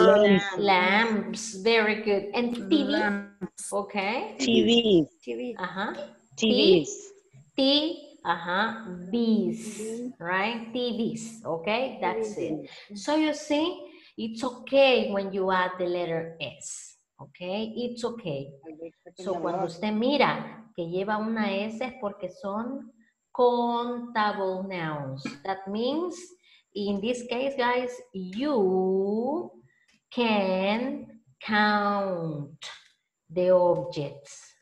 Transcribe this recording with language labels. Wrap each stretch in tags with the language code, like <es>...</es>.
<en>Lamps. Lamps. Very good. And TV. Lamps. Okay. TV. TV. TVs. T. Bees. Right. TVs. Okay. That's it. So you see, it's okay when you add the letter S. Okay, it's okay.</en> <es>So cuando usted mira que lleva una S es porque son countable nouns.</es> <en>That means, in this case, guys, you can count the objects.</en>